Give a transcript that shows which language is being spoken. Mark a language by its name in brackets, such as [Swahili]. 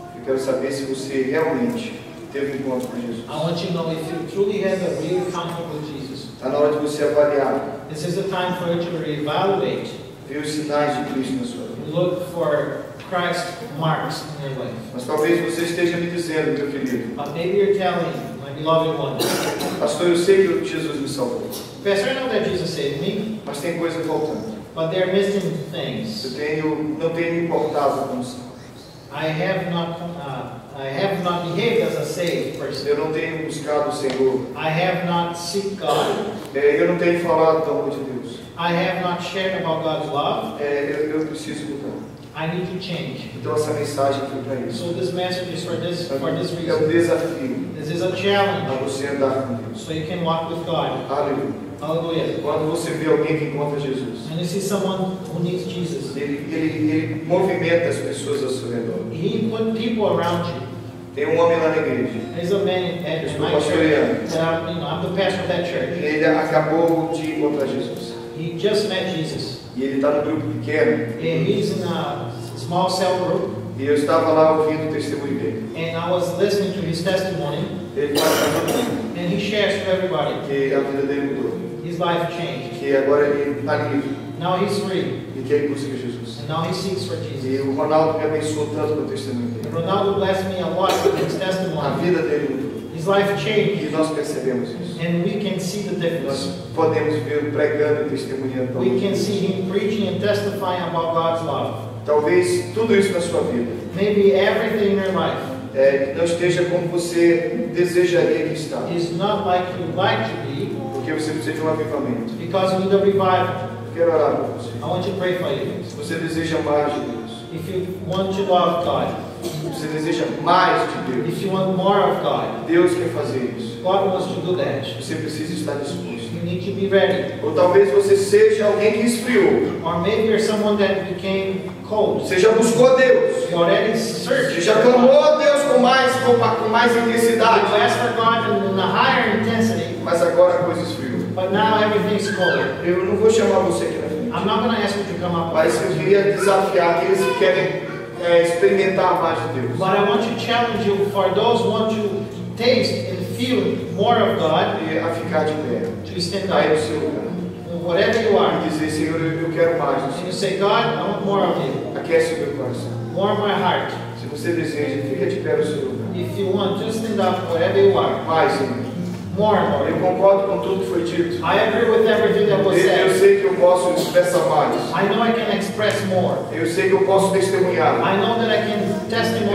[Portuguese] Eu quero saber se você realmente teve um encontro com Jesus. [English] I want to know if you truly had a real encounter with Jesus. [Portuguese] Está na hora de você avaliar. [English] This is the time for you to reevaluate. [Portuguese] Ver os sinais de Cristo na sua vida. [English] Look for Christ's marks in your life. [Portuguese] Mas talvez você esteja me dizendo, meu querido. [English] But maybe you're telling my beloved one. [Portuguese] Pastor, eu sei que Jesus me salvou. [English] Pastor, I know that Jesus saved me. [Portuguese] Mas tem coisa faltando. [English] But they're missing things. [Portuguese] Eu não tenho me importado com os [English] I have not behaved as a saved person. [Portuguese] Eu não tenho buscado o Senhor. [English] I have not seek God. [Portuguese] Eu não tenho falado do amor de Deus. [English] I have not shared about God's love. [Portuguese] Eu preciso mudar. [English] I need to change. [Portuguese] Então essa mensagem foi para isso. [English] So this message is for this reason. [Portuguese] É um desafio. [English] This is a challenge. [Portuguese] Para você andar com Deus. [English] So you can walk with God. [Portuguese] Aleluia. Aleluia. Quando você vê alguém que encontra Jesus. [English] And you see someone who needs Jesus. [Portuguese] Ele movimenta as pessoas ao seu redor. [English] He put people around you. [Portuguese] Tem um homem lá na igreja. [English] There's a man at my church. I'm the pastor of that church. [Portuguese] Ele acabou de encontrar Jesus. [English] He just met Jesus. [Portuguese] E ele está no grupo pequeno. [English] And he's in a small cell group. [Portuguese] E eu estava lá ouvindo o testemunho dele. [English] And I was listening to his testimony. [Portuguese] Ele fala para mim. [English] And he shares to everybody. [Portuguese] Que a vida dele mudou. [English] His life changed. [Portuguese] Que agora ele está livre. [English] Now he's free. [Portuguese] E que ele busca Jesus. [English] And now he seeks for Jesus. [Portuguese] E o Ronaldo me abençoou tanto com o testemunho dele. [English] And Ronaldo blessed me a lot with his testimony. [Portuguese] A vida dele mudou. [English] His life changed. [Portuguese] E nós percebemos isso. [English] And we can see the difference. [Portuguese] Nós podemos ver pregando e testemunhando. [English] We can see him preaching and testifying about God's love. [Portuguese] Talvez tudo isso na sua vida. [English] Maybe everything in your life. [Portuguese] Não esteja como você desejaria que está. [English] It's not like you'd like to be. [Portuguese] Porque você precisa de um avivamento. [English] Because you need a revival. [Portuguese] Quero orar por você. [English] I want to pray for you. [Portuguese] Se você deseja mais de Deus. [English] If you want to love God. [Portuguese] Você deseja mais de Deus. [English] If you want more of God. [Portuguese] Deus quer fazer isso. [English] God wants to do that. [Portuguese] Você precisa estar disposto. [English] You need to be ready. [Portuguese] Ou talvez você seja alguém que esfriou. [English] Or maybe you're someone that became cold. [Portuguese] Você já buscou Deus. [English] You already searched. [Portuguese] Você já clamou a Deus com mais intensidade. [English] You asked for God in a [Portuguese] agora com esses frios. [English] But now everything's cold. [Portuguese] Eu não vou chamar você aqui na frente. [English] I'm not gonna ask you to come up. [Portuguese] Mas eu queria desafiar aqueles que querem experimentar a paz de Deus. [English] But I want to challenge you for those who want to taste and feel more of God. [Portuguese] A ficar de pé. [English] To stand up. [Portuguese] Aí o seu lugar. [English] Whatever you are. [Portuguese] E dizer, Senhor, eu quero mais. [English] And you say, God, I want more of you. [Portuguese] Aquece o meu coração. [English] Warm my heart. [Portuguese] Se você deseja, fica de pé no seu lugar. [English] If you want, just stand up wherever you are. [Portuguese] Mais, Senhor. [English] More, Lord. [Portuguese] Eu concordo com tudo que foi dito. [English] I agree with everything that was said. [Portuguese] Eu sei que eu posso expressar mais. [English] I know I can express more. [Portuguese] Eu sei que eu posso testemunhar. [English] I know that I can testify.